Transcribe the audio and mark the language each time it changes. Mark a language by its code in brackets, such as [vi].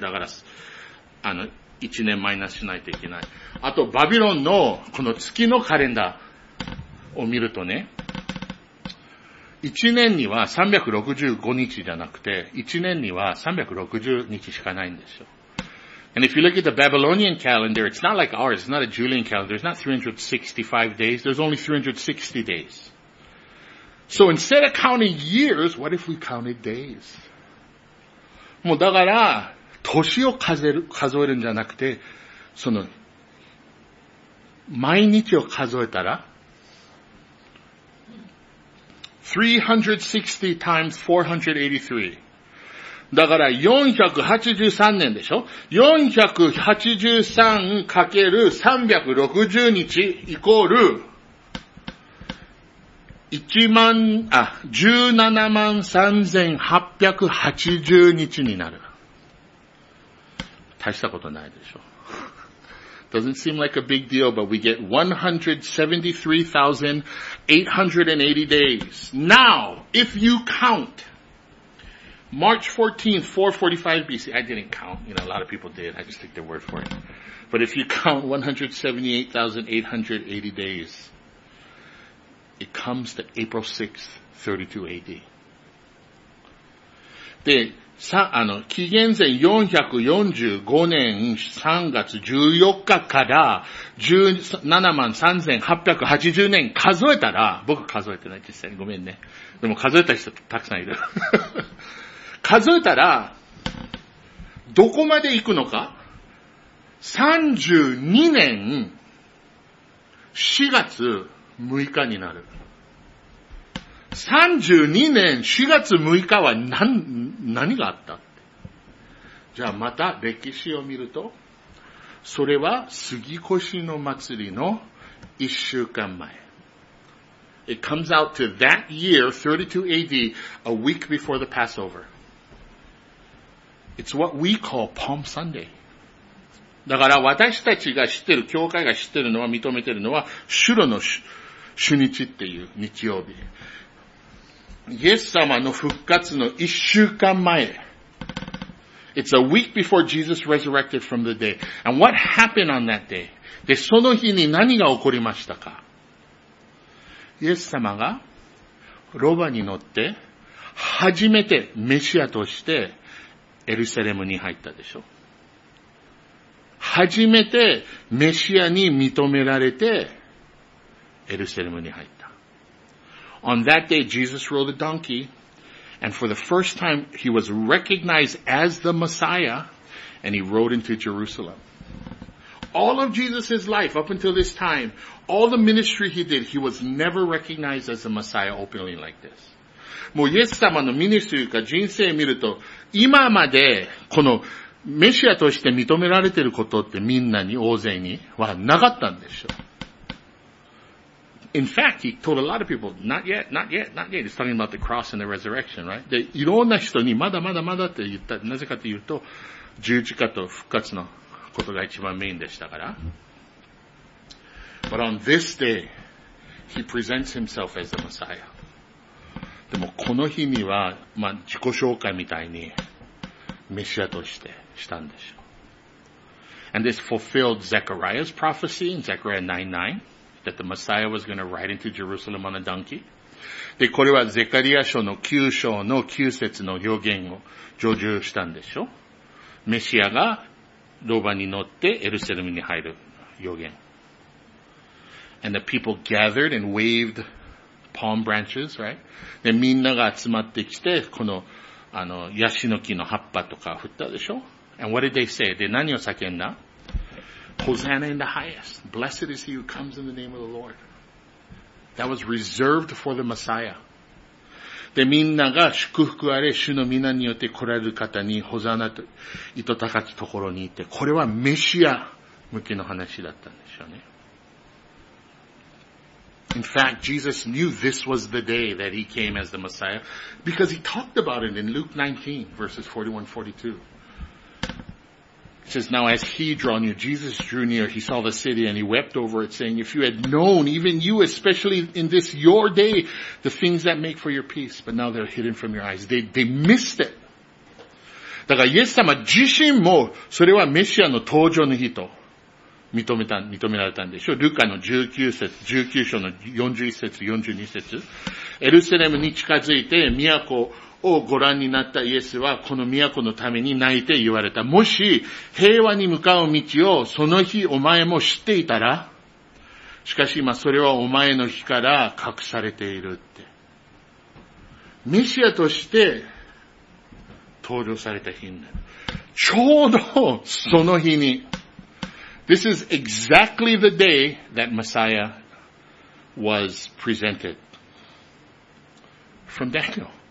[ja] だから、1年マイナスしないといけない。あと、バビロンのこの月のカレンダーを見るとね、1年には365日じゃなくて、1年には360日しかないんですよ。 [en] And if you look at the Babylonian calendar, it's not like ours, it's not a Julian calendar, it's not 365 days, there's only 360 days. So instead of counting years, what if we counted days? [ja] もうだから、年を数えるんじゃなくて、その、毎日を数えたら、 [en] 360 times 483. [ja] だから483年でしょ？483×360日イコール173,880日になる。大したことないでしょ。 [en] Doesn't seem like a big deal, but we get 173,880 days. Now, if you count March 14th, 445 BC, I didn't count, you know, a lot of people did, I just take their word for it. But if you count 178,880 days, it comes to April 6th, 32 AD. [ja] で、さ、紀元前445年3月14日から173,880年数えたら、僕数えてない実際にごめんね。でも数えた人たくさんいる。数えたら、どこまで行くのか ?32 年4月6日になる。 32年4月6日は何があったって。じゃあまた歴史を見ると、それは杉越の祭りの1週間前。 [en] It comes out to that year, 32 AD, a week before the Passover. It's what we call Palm Sunday. [ja] だから私たちが知ってる、教会が知ってるのは認めてるのは、シュロの主日っていう日曜日。イエス様の復活の一週間前。 [en] It's a week before Jesus resurrected from the day. And what happened on that day? [ja] で、その日に何が起こりましたか？イエス様がロバに乗って初めてメシアとしてエルサレムに入ったでしょ。初めてメシアに認められてエルサレムに入った。 [en] On that day, Jesus rode a donkey, and for the first time, he was recognized as the Messiah, and he rode into Jerusalem. All of Jesus' life, up until this time, all the ministry he did, he was never recognized as the Messiah openly like this. [ja] もうイエス様のミニストリーか人生見ると、今までこのメシアとして認められていることってみんなに大勢にはなかったんでしょ。 [en] In fact, he told a lot of people, not yet, not yet, not yet. He's talking about the cross and the resurrection, right? [ja] で、いろんな人にまだまだまだって言った。なぜかというと、十字架と復活のことが一番メインでしたから。 [en] But on this day, he presents himself as the Messiah. [ja] でもこの日には、まあ、自己紹介みたいに、メシアとしてしたんでしょう。 [en] And this fulfilled Zechariah's prophecy in Zechariah 9:9. That the Messiah was going to ride into Jerusalem on a donkey. [ja] で、これはゼカリア書の9章の9節の予言を成就したんでしょ。メシアがロバに乗ってエルサレムに入る予言。 [en] And the people gathered and waved palm branches, right? [ja] で、みんなが集まってきて、この、あの、ヤシの木の葉っぱとか振ったでしょ? [en] And what did they say? [ja] で、何を叫んだ? [en] Hosanna in the highest. Blessed is he who comes in the name of the Lord. That was reserved for the Messiah. [ja] で、みんなが祝福あれ、主の皆によって来られる方に、ホザナと、糸高きところにいて、これはメシア向けの話だったんでしょうね。 [en] In fact, Jesus knew this was the day that he came as the Messiah, because he talked about it in Luke 19, verses 41-42. It says, Now as he drew near, Jesus drew near, he saw the city and he wept over it, saying, If you had known, even you, especially in this your day, the things that make for your peace, but now they're hidden from your eyes. They missed it. [ja] だからイエス様自身もそれはメシアの登場の日と認められたんでしょう。ルカの19節、19章の41節、42節。エルサレムに近づいて都をご覧になったイエスはこの都のために泣いて言われた。もし平和に向かう道をその日お前も知っていたら、しかし今それはお前の日から隠されているって。メシアとして登場された日になる。ちょうどその日に、 [en] This is exactly the day that Messiah was presented from Daniel.